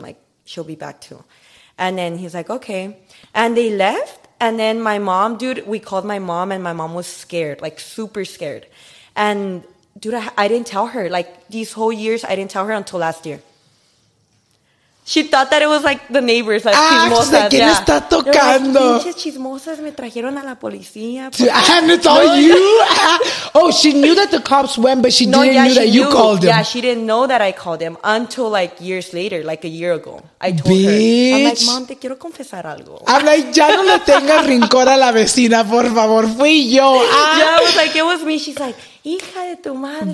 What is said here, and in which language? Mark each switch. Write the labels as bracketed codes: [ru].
[en] Like, she'll be back too. And then he's like, okay. And they left. And then my mom, dude, we called my mom. And my mom was scared, like super scared. And, dude, I didn't tell her. Like, these whole years, I didn't tell her until last year. She thought that it was like the neighbors, like chismosas. [es] Ah, ¿quién está tocando? Like, pinches chismosas me trajeron a la policía. [en] And it's all you? Oh, she knew that the cops went, but she didn't know that you called them. Yeah, she didn't know that I called them until like years later, like a year ago. I told Bitch. Her. I'm like, mom, [es] te quiero confesar algo. [en] I'm like, [es] ya no le tenga rincón a la vecina, por favor. Fui yo. [en] Yeah, I was like, it was me. She's like, [es] hija de tu madre.